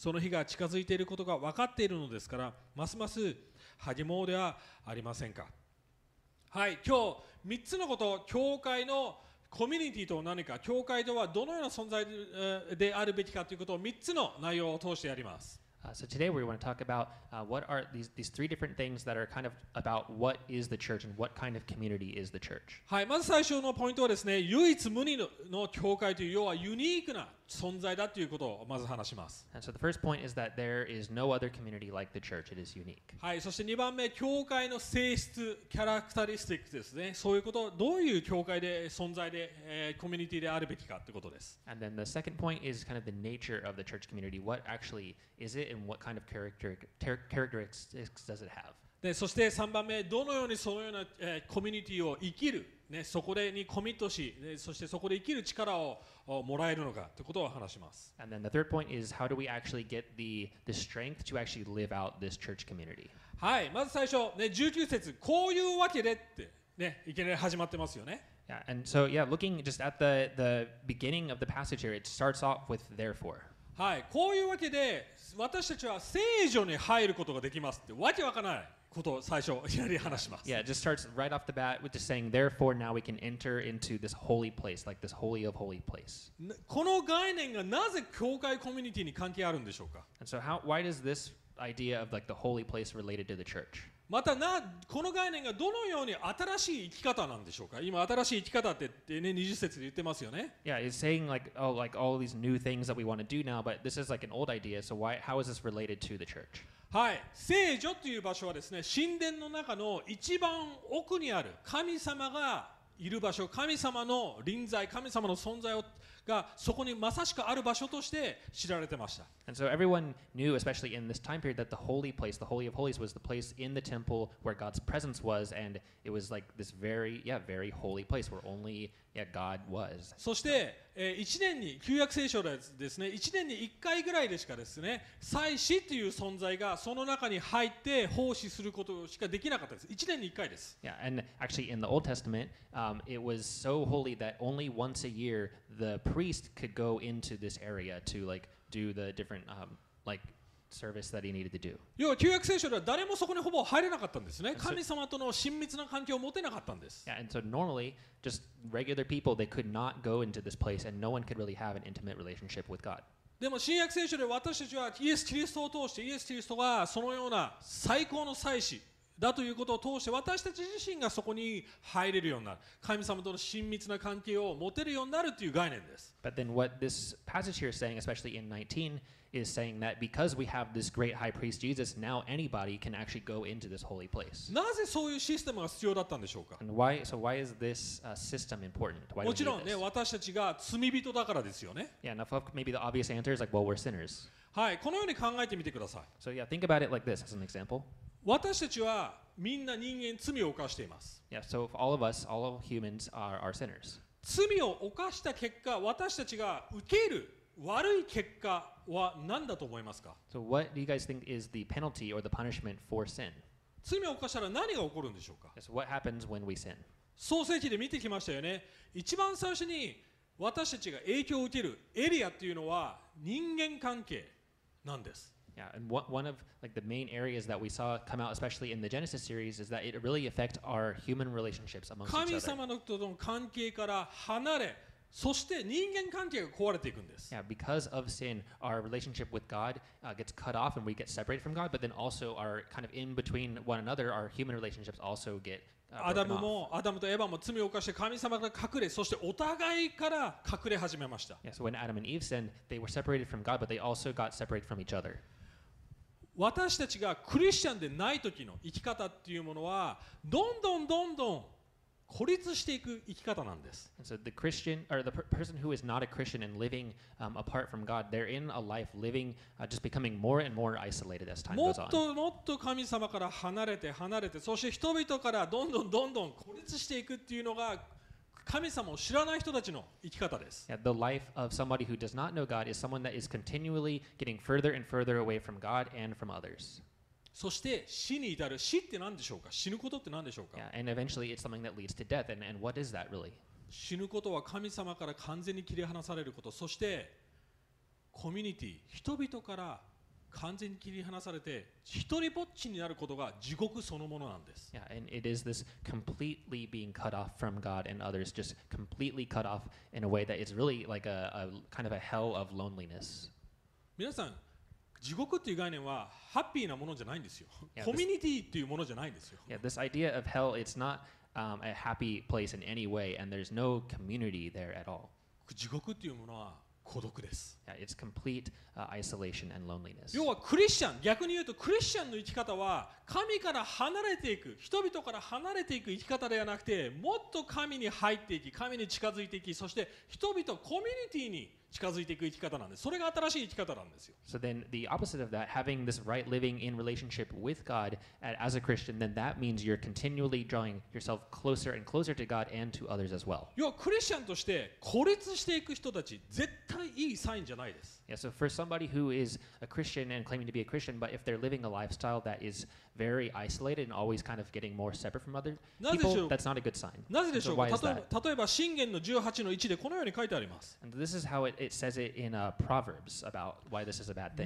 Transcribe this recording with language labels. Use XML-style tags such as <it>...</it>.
<ja>その日が近づいていることが分かっているのですから、ますます励もうではありませんか。はい、今日3つのこと、教会のコミュニティと何か、教会とはどのような存在であるべきかということを3つの内容を通してやります。</ja> <en>So today we want to talk about what are these three different things that are kind of about what is the church and what kind of community is the church.</en> <ja>はい、まず最初のポイントはですね、唯一無二の教会という、要はユニークな存在だということをまず話します。</ja> <en>And so the first point is that there is no other community like the church. It is unique.</en> <ja>はい、そして2番目、教会の性質、キャラクタリスティックですね。そういうこと、どういう教会で存在で、コミュニティであるべきかということです。</ja> <en>And then the second point is kind of the nature of the church community. What actually is it? And what kind of characteristics does it have?</en> <ja>で、そして3番目、どのようにそのような、コミュニティを生きる、ね、そこでにコミットし、ね、そしてそこで生きる力をもらえるのかということを話します。</ja> <en>And then the third point is how do we actually get the strength to actually live out this church community?</en> <ja>はい、まず最初、ね、19節、こういうわけでって、ね、いきなり始まってますよね。</ja> <en>Yeah, and so yeah, looking just at the beginning of the passage here, it starts off with therefore.</en> <ja>はい、こういうわけで私たちは聖所に入ることができますってわけわからないことを最初やり話します。</ja> <en>Yeah, it just starts right off the bat with just saying, therefore now we can enter into this holy place, like this holy of holy place.</en> <ja>この概念がなぜ教会コミュニティに関係あるんでしょうか。</ja> <en>And so why does this idea of like the holy place related to the church?</en> <ja>またな、この概念がどのように新しい生き方なんでしょうか。今新しい生き方って、ね、20節で言ってますよね。</ja> <en>Yeah, it's saying like, oh, like all these new things that we want to do now, but this is like an old idea, so why, how is this related to the church?</en> <ja>はい、聖所という場所はですね、神殿の中の一番奥にある神様がいる場所、神様の臨在、神様の存在をがそこにまさしくある場所として知られてました。</ja> <en>And so everyone knew, especially in this time period, that the holy place, the holy of holies, was the place in the temple where God's presence was, and it was like this very, yeah, very holy place where only, yeah, God was.</en> <ja>そして、1年に、旧約聖書でですね、1年に1回ぐらいでしかですね、祭司という存在がその中に入って奉仕することしかできなかったです。 1年に1回です。</ja> <en>Yeah, and actually in the Old Testament, it was so holy that only once a year the priest could go into this area to like do the different like service that he needed to do.</en> <ja>要は旧約聖書では誰もそこにほぼ入れなかったんですね。神様との親密な関係を持てなかったんです。</ja> <en>Yeah, and so normally, just regular people, they could not go into this place and no one could really have an intimate relationship with God.</en> <ja>でも新約聖書で私たちはイエス・キリストを通してイエス・キリストがそのような最高の祭司だということを通して私たち自身がそこに入れるようになる神様との親密な関係を持てるようになるという概念です。</ja> <en>But then what this passage here is saying, especially in 19, is saying that because we have this great high priest Jesus, now anybody can actually go into this holy place.</en> <ja>なぜそういうシステムが必要だったんでしょうか?</ja> <en>And why, so why is this system important? Why</en> <ja>もちろんね、私たちが罪人だからですよね。</ja> <en>Yeah, now maybe the obvious answer is like, well, we're sinners.</en> <ja>はい、このように考えてみてください。</ja> <en>So yeah, think about it like this as an example.</en> <ja>私たちはみんな人間罪を犯しています。</ja> <en>Yeah, so all of us, all of humans are our sinners.</en> <ja>罪を犯した結果、私たちが受ける悪い結果は何だと思いますか?</ja> <en>So what do you guys think is the penalty or the punishment for sin?</en> <ja>罪を犯したら何が起こるんでしょうか?</ja> <en>So what happens when we sin?</en> <ja>創世記で見てきましたよね。一番最初に私たちが影響を受けるエリアっていうのは人間関係なんです。</ja> <en>Yeah, and one of like the main areas that we saw come out, especially in the Genesis series, is that it really affects our human relationships amongst each other.</en> <ja>神様との関係から離れ、そして人間関係が壊れていくんです。</ja> <en>Yeah, because of sin, our relationship with God gets cut off, and we get separated from God. But then also, our kind of in between one another, our human relationships also get broken off.</en> <ja>アダムとエヴァも罪を犯して神様から隠れ、そしてお互いから隠れ始めました。</ja> <en>Yeah, so when Adam and Eve sinned, they were separated from God, but they also got separated from each other.</en> <ja>私たちがクリスチャンでない時の生き方っていうものはどんどんどんどん孤立していく生き方なんです。</ja> <en>So the Christian or the person who is not a Christian and living apart from God, they're in a life living just becoming more and more isolated as time goes on.</en> <ja>もっともっと神様から離れて離れて、そして人々からどんどんどんどん孤立していくっていうのが神様を知らない人たちの生き方です。</ja> <en>Yeah, the life of somebody who does not know God is someone that is continually getting further and further away from God and from others.</en> <ja>そして死に至る。死って何でしょうか? 死ぬことって何でしょうか?</ja> <en>Yeah, and eventually it's something that leads to death. And what is that really?</en> <ja>死ぬことは神様から完全に切り離されること。そしてコミュニティ、人々から完全に切り離されて一人ぼっちになることが地獄そのものなんです。</ja> <en>Yeah, and it is this completely being cut off from God and others, just completely cut off in a way that is really like a kind of a hell of loneliness.</en> <ja>皆さん、地獄っていう概念はハッピーなものじゃないんですよ。コミュニティっていうものじゃないんですよ。</ja> <en>Yeah, this idea of hell, it's not a happy place in any way, and there's no community there at all.</en> <ja>地獄っていうものは孤独です。</ja> <en>Yeah, it's complete isolation and loneliness.</en> <ja>要はクリスチャン、逆に言うとクリスチャンの生き方は神から離れていく、人々から離れていく生き方ではなくて、もっと神に入っていき、神に近づいていき、そして人々コミュニティに近づいていく生き方なんです。それが新しい生き方なんですよ。</ja> <en>So then the opposite of that, having this right living in relationship with God as a Christian, then that means you're continually drawing yourself closer and closer to God and to others as well.</en> <ja>要はクリスチャンとして孤立していく人たち、絶対いいサインじゃないです。</ja> <en>Yeah, so for somebody who is a Christian and claiming to be a Christian, but if they're living a lifestyle that is very isolated and always kind of getting more separate from other people, that's not a good sign.</en> <ja>なぜでしょうか? 例えば、箴言の18の1でこのように書いてあります。</ja> <en>And this is how it says it in Proverbs about why this is a bad thing.</en>